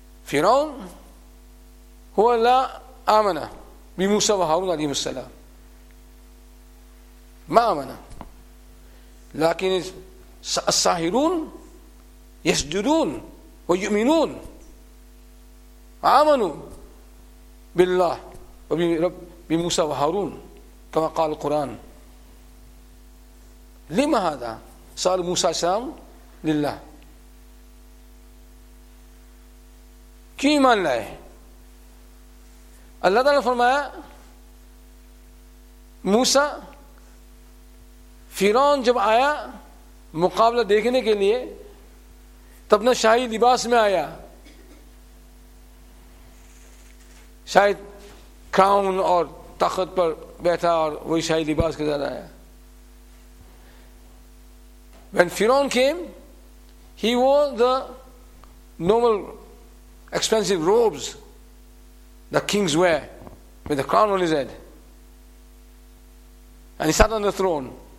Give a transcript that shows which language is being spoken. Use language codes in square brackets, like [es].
[ar] فرعون هو لا آمن بموسى وهارون عليهم السلام, ما آمن, لكن الساحرون يسجدون ويؤمنون, آمنوا بالله وبرب بموسى وهارون كما قال القرآن. لما هذا؟ سأل موسى السلام لله, [ur] کیوں ایمان لائے؟ اللہ تعالیٰ نے فرمایا موسیٰ فرعون جب آیا مقابلہ دیکھنے کے لیے تو اپنے شاہی لباس میں آیا, شاید کراؤن اور تخت پر بیٹھا اور وہی شاہی لباس کے ساتھ آیا. [en] When فرعون came he wore the normal expensive robes that kings wear with the crown on his head, and he sat on the throne.